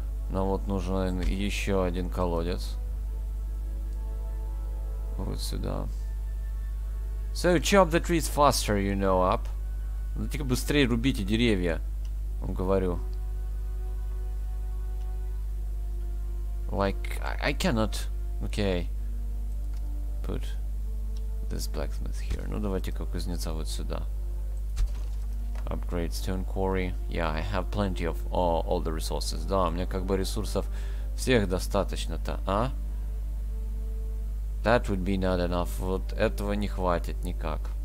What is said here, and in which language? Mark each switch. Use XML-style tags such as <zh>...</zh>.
<ru>Нам вот нужен еще один колодец. Вот сюда.</ru> <en>So chop the trees faster, you know, up.</en> <ru>Только быстрее рубите деревья, вам говорю.</ru> <en>Like, I cannot. Okay. Put this blacksmith here.</en> <ru>Ну давайте-ка кузнеца вот сюда.</ru> <en>Upgrade stone quarry. Yeah, I have plenty of all the resources.</en> <ru>Да, у меня как бы ресурсов всех достаточно-то, а?</ru> <en>That would be not enough.</en> <ru>Вот этого не хватит никак.</ru>